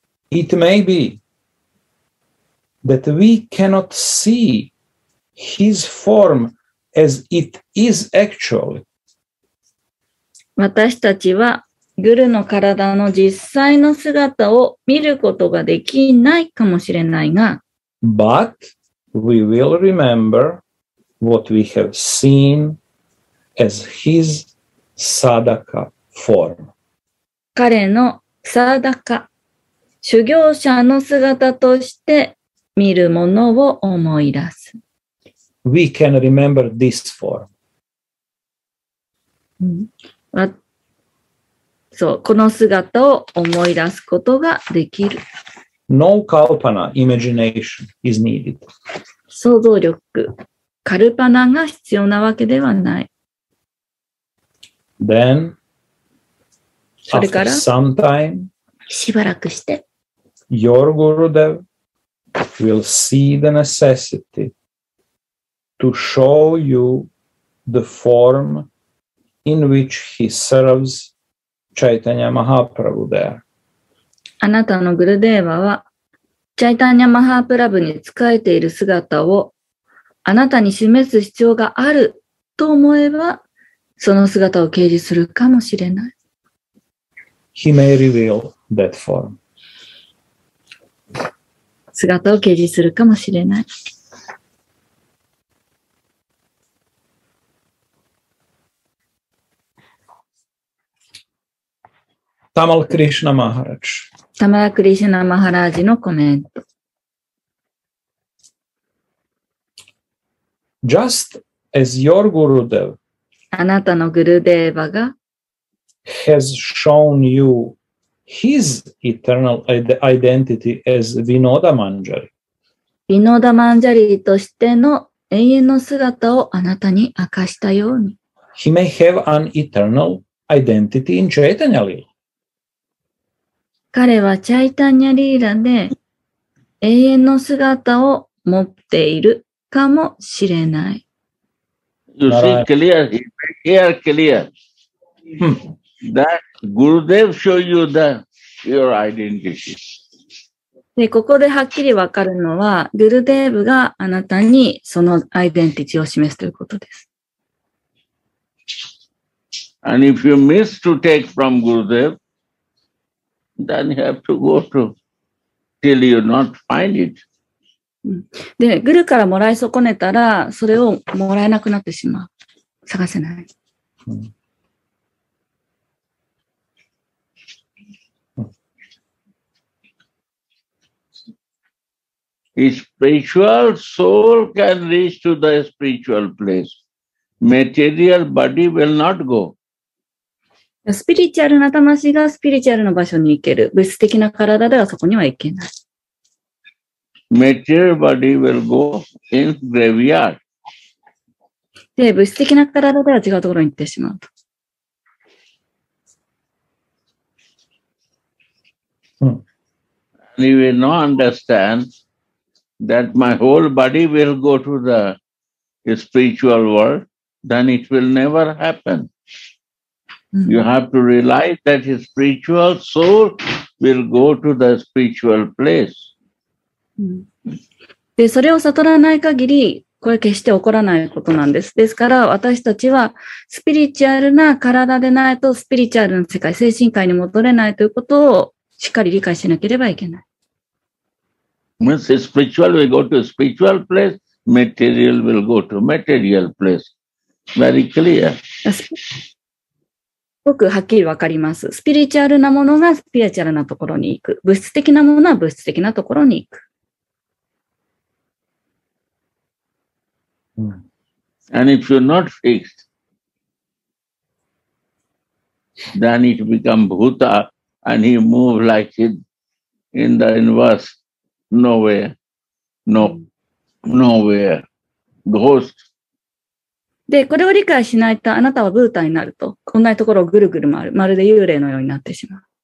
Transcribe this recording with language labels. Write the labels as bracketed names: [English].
[English] It may be that we cannot see his form as it is actually. [Japanese] 私たちはグルの体の実際の姿を見ることができないかもしれないが、 [English] But we will remember what we have seen as his sadaka form. [Japanese] 彼のサダカ、修行者の姿として見るものを思い出す。 [English] We can remember this form. [Japanese] そう、この姿を思い出すことができる。 [English] No kalpana, imagination is needed. [Japanese] 想像力、カルパナが必要なわけではない。 [English] Then, [Japanese] それから、 [English] after some time, [Japanese] しばらくして、 [English] your Gurudev will see the necessity to show you the form in which he serves Chaitanya Mahaprabhu there. [Japanese] あなたのグルデーヴァは、チャイタニャ・マハープラブに仕えている姿をあなたに示す必要があると思えば、その姿を掲示するかもしれない。 [English] He may reveal that form. [Japanese] 姿を掲示するかもしれない。タマル・クリシュナ・マハラジ。タマラ・クリシュナ・マハラージのコメント。 [English] Just as your Gurudev [Japanese] あなたのグルデーバが [English] has shown you his eternal identity as Vinoda Manjari [Japanese] Vinoda Manjari としての永遠の姿をあなたに明かしたように [English] He may have an eternal identity in Chaitanya Lila [Japanese] 彼はチャイタニャリーラで永遠の姿を持っているかもしれない。 [English] You see, clear, here clear. That Gurudev show you the, your identity. [Japanese] で、ここではっきりわかるのは、グルデーブがあなたにそのアイデンティティを示すということです。 [English] And if you miss to take from Gurudev,Then you have to go to till you not find it. [Japanese] で、グルからもらい損ねたら、それをもらえなくなってしまう。探せない。 [English] A spiritual soul can reach to the spiritual place. Material body will not go. [Japanese] スピリチュアルな魂がスピリチュアルの場所に行ける。物質的な体ではそこには行けない。 [English] Material body will go in graveyard. [Japanese] で、物質的な体では違うところに行ってしまうと。 [English] You will not understand that my whole body will go to the spiritual world, then it will never happen. You have to realize that his spiritual soul will go to the spiritual place. [Japanese] で、それを悟らない限り、これ決して起こらないことなんです。ですから、私たちは、スピリチュアルな体でないと、スピリチュアルの世界、精神界に戻れないということを、しっかり理解しなければいけない。 [English] Means spiritual will go to spiritual place, material will go to material place. Very clear. [Japanese] すごくはっきりわかります。スピリチュアルなものがスピリチュアルなところに行く。物質的なものは物質的なところに行く。 [English] And if you're not fixed, then it becomes bhuta and he moves like it in the inverse, nowhere, no, nowhere, ghost. [Japanese] で、これを理解しないと、あなたはブータになると、こんなところをぐるぐる回る、まるで幽霊のようになってしまう。